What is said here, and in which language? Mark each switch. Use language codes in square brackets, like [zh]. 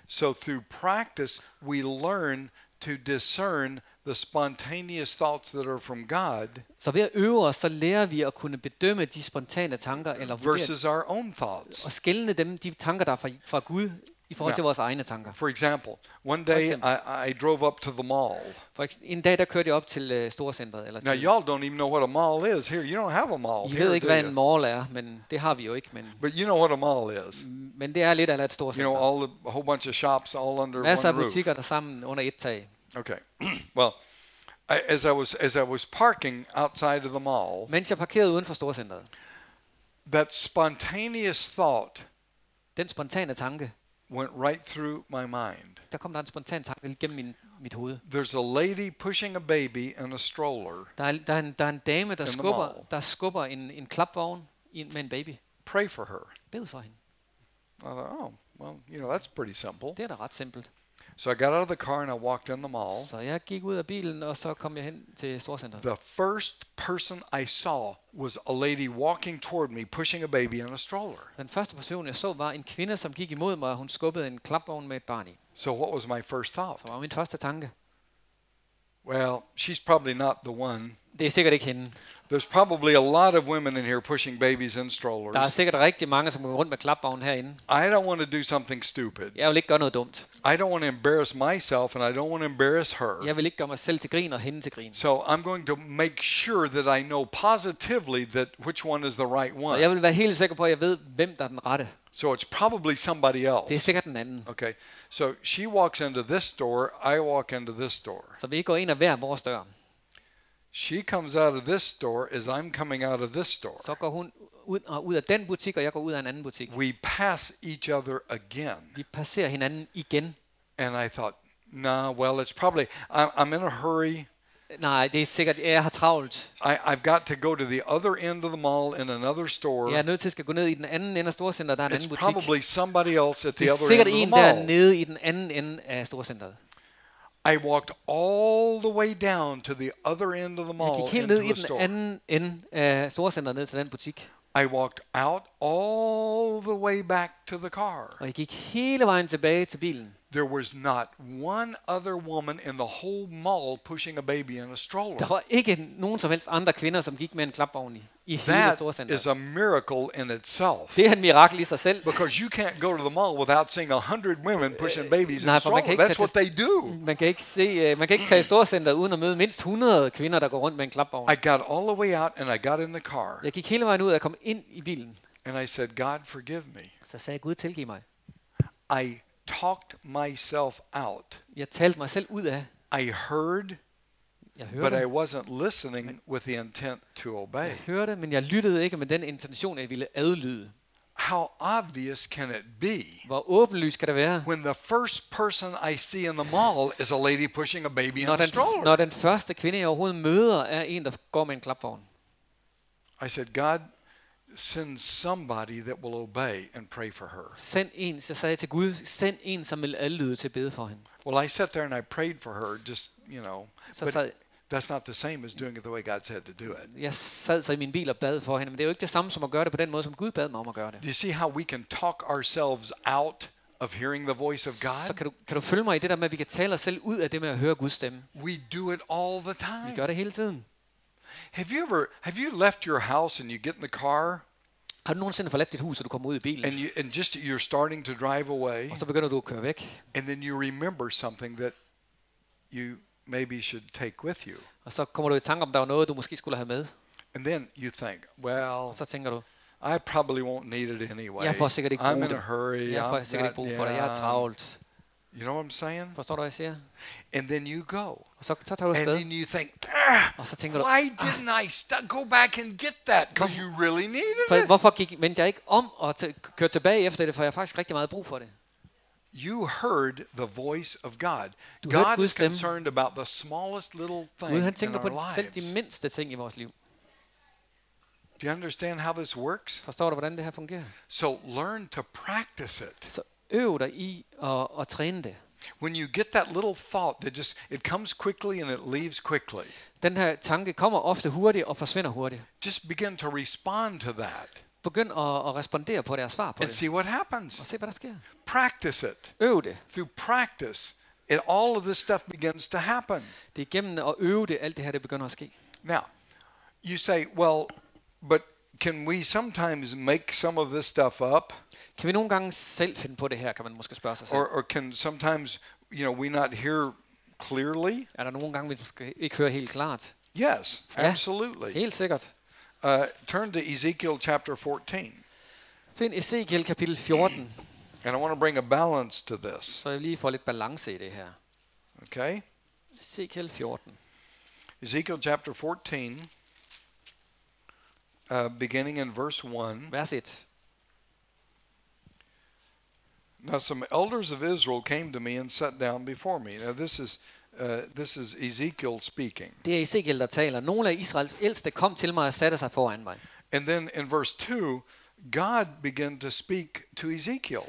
[en] So through practice, we learn to discern the spontaneous thoughts that are from God. [da] Så ved at øve os, så lærer vi at kunne bedømme de spontane tanker eller [en] versus our own thoughts. [da] Og skelne dem de tanker der fra Gud i forhold til vores egne tanker. [en] For example, one day I drove up to the mall. [da] En dag der kørte jeg op til storcentret eller [en] Now y'all don't even know what a mall is here. You don't have a mall I here. [da] Ved ikke [en] do [da] hvad en mall er, men det har vi jo ikke, men [en] but you know what a mall is. [da] Men det er lidt af et storcenter. [en] You know all the whole bunch of shops all under one roof. [da] Masser af butikker der sammen under et tag. [en] Okay. Well, as I was parking outside of the mall, [da] mens jeg parkerede uden for storcentret, [en] that spontaneous thought [da] den spontane tanke [en] went right through my mind. [da] Der kom der en spontan tanke gennem mit hoved. [en] There's a lady pushing a baby in a stroller. [da] Der er en dame der skubber en klapvogn med en baby. [en] Pray for her. [da] Bed for hende. [en] I thought, oh, well, you know, that's pretty simple. [da] Det er da ret simpelt. [en] So I got out of the car and I walked in the mall. [da] Så jeg gik ud af bilen og så kom jeg hen til storcenteret. [en] The first person I saw was a lady walking toward me pushing a baby in a stroller. [da] Den første person jeg så var en kvinde som gik imod mig, hun skubbede en klapvogn med et barn i. [en] So what was my first thought? [da] Så var min første tanke. [en] Well, she's probably not the one. [da] Det er sikkert ikke hende. [en] There's probably a lot of women in here pushing babies in strollers. [da] Der er sikkert rigtig mange som går rundt med klapvogn herinde. [en] I don't want to do something stupid. [da] Jeg vil ikke gøre noget dumt. [en] I don't want to embarrass myself and I don't want to embarrass her. [da] Jeg vil ikke gøre mig selv til grin og hende til grin. [en] So I'm going to make sure that I know positively that which one is the right one. [da] Så jeg vil være helt sikker på at jeg ved hvem der er den rette. [en] So it's probably somebody else. [da] Det er sikkert den anden. [en] Okay. So she walks into this door, I walk into this door. [da] Så vi går ind ad hver vores dør. [en] She comes out of this store as I'm coming out of this store. [da] Så går hun ud af den butik og jeg går ud af en anden butik. [en] We pass each other again. [da] Vi passerer hinanden igen. [en] And I thought, nah, well, it's probably I'm in a hurry. [da] Nej, det er sikkert jeg har travlt. [en] I've got to go to the other end of the mall in another store. [da] Jeg er nødt til at gå ned i den anden ende af storcenteret, der er en anden butik. [en] It's probably somebody else at the other end of the mall. [da] Det er sikkert en der nede i den anden ende af storcenteret. [en] I walked all the way down to the other end of the mall into the store. [da] Jeg gik helt ned i den anden ende af storcenteret ned til den butik. [en] I walked out all the way back to the car. [da] Og jeg gik hele vejen tilbage til bilen. [en] There was not one other woman in the whole mall pushing a baby in a stroller. [da] Der var ikke nogen som helst andre kvinder som gik med en klapvogn i hele storcenteret. [en] That is a miracle in itself. [da] Det er et mirakel i sig selv. [en] Because you can't go to the mall without seeing 100 women pushing babies in a stroller. That's what they do. [da] Man kan ikke tage storcenteret uden at møde mindst 100 kvinder der går rundt med en klapvogn. [en] I got all the way out and I got in the car. [da] Jeg gik hele vejen ud og kom ind i bilen. [en] And I said, God forgive me. [da] Så sagde Gud tilgiv mig. [en] I talked myself out. [da] Jeg talte mig selv ud af. [en] I heard. [da] Jeg hørte. [en] But I wasn't listening with the intent to obey. [da] Jeg hørte, men jeg lyttede ikke med den intention jeg ville adlyde. [en] How obvious can it be? [da] Hvor åbenlyst kan det være? [en] When the first person I see in the mall is a lady pushing a baby in a stroller. [da] Når den første kvinde jeg overhovedet møder er en der går med en klapvogn. [en] I said, God, send somebody that will obey and pray for her. [da] Send en, så sagde jeg til Gud, send en som vil adlyde til at bede for hende. [en] Well, I sat there and I prayed for her, just, you know, så but sad, that's not the same as doing it the way God said to do it. [da] Jeg sad så i min bil og bad for hende, men det er jo ikke det samme som at gøre det på den måde som Gud bad mig om at gøre det. [en] Do you see how we can talk ourselves out of hearing the voice of God? [da] Så kan du følge mig i det der med at vi kan tale os selv ud af det med at høre Guds stemme. [en] We do it all the time. [da] Vi gør det hele tiden. [en] Have you left your house and you get in the car? [da] Har du nogensinde forladt dit hus, og du kommer ud i bilen? [en] And just you're starting to drive away. [da] Og så begynder du at køre væk. [en] And then you remember something that you maybe should take with you. [da] Og så kommer du i tanke om der var noget du måske skulle have med. [en] And then you think, well, [da] så tænker du, [en] I probably won't need it anyway. [da] Jeg får sikkert ikke brug for det. [en] I'm in a hurry. [da] Jeg får sikkert ikke brug for det. Jeg er travlt. [en] You know what I'm saying? [da] Forstår du hvad jeg siger? [en] And then you go. [da] Og så tager du afsted. [en] And then you think, ah, [da] og så tænker du, [en] why didn't I go back and get that? Because you really needed it. [da] Hvorfor vendte jeg ikke om og kørte tilbage efter det, for jeg har faktisk rigtig meget brug for det. [en] You heard the voice of God. [da] Du [en] God [da] Guds [en] is concerned [da] stemme. [en] About the smallest little thing in our lives. [da] Gud, han tænker på selv de mindste ting i vores liv. [en] Do you understand how this works? [da] Forstår du hvordan det her fungerer? [en] So learn to practice it. [da] Øv dig i at træne det. [en] When you get that little thought that just it comes quickly and it leaves quickly. [da] Den her tanke kommer ofte hurtigt og forsvinder hurtigt. [en] Just begin to respond to that. [da] Begynd at respondere på det og svare på [en] and [da] det. [en] And see what happens. [da] Og se hvad der sker. [en] Practice it. [da] Øv det. [en] Through practice, it all of this stuff begins to happen. [da] Det er gennem at øve det, alt det her det begynder at ske. [en] Now, you say, well, but can we sometimes make some of this stuff up? [da] Kan vi nogle gange selv finde på det her, kan man måske spørge sig selv. [en] Or can sometimes, you know, we not hear clearly? [da] Er der nogle gange vi ikke hører helt klart? [en] Yes, absolutely. [da] Ja, helt sikkert. [en] Turn to Ezekiel chapter 14. [da] Find Ezekiel kapitel 14. [en] And I want to bring a balance to this. [da] Så jeg lige få lidt balance i det her. [en] Okay? Ezekiel 14. Ezekiel chapter 14. Beginning in verse 1. [da] Vers 1. [en] Now some elders of Israel came to me and sat down before me. Now this is Ezekiel speaking. [da] Det er Ezekiel der taler. Nogle af Israels ældste kom til mig og satte sig foran mig. [en] And then in verse 2, God began to speak to Ezekiel.